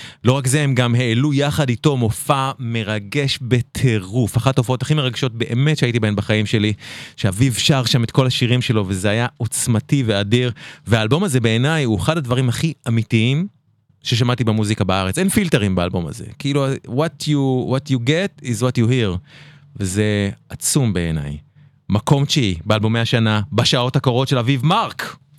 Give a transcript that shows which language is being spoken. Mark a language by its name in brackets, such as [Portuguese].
[Hebrew] לא רק זה, הם גם העלו יחד איתו מופע מרגש בטירוף. אחת התופעות הכי מרגשות באמת שהייתי בהן בחיים שלי, שאביב שר שם את כל השירים שלו, וזה היה עוצמתי ואדיר. והאלבום הזה בעיניי הוא אחד הדברים הכי אמיתיים ששמעתי במוזיקה בארץ. אין פילטרים באלבום הזה. [English] כאילו, what you get is what you hear. [Hebrew] וזה עצום בעיניי. מקום תשיעי באלבומי השנה, בשעות הקרובות של אביב מרק.